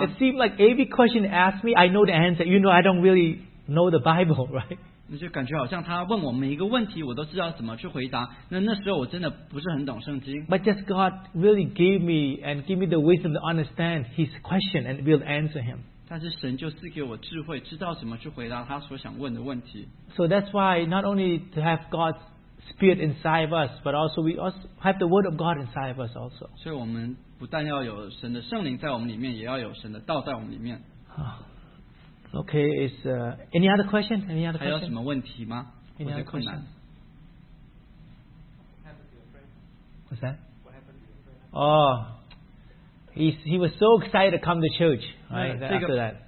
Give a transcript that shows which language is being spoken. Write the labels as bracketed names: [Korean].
[English] It seemed like every question he asked me, I know the answer. You know, I don't really know the Bible, right? [Chinese] 那就感觉好像他问我每一个问题，我都知道怎么去回答。那时候我真的不是很懂圣经。 [English] But just God really gave me the wisdom to understand His question and will answer Him. [Chinese] 但是神就赐给我智慧，知道怎么去回答他所想问的问题。 [English] So that's why not only to have God's Spirit inside of us, but also we also have the Word of God inside of us also. So we [Chinese] 不但要有神的圣灵在我们里面，也要有神的道在我们里面。 [English] Okay, is any other question? Any other question? [Chinese] 还有什么问题吗？ [English] any other question? What's that? What happened to your friend? Oh, he was so excited to come to church. Right, after that.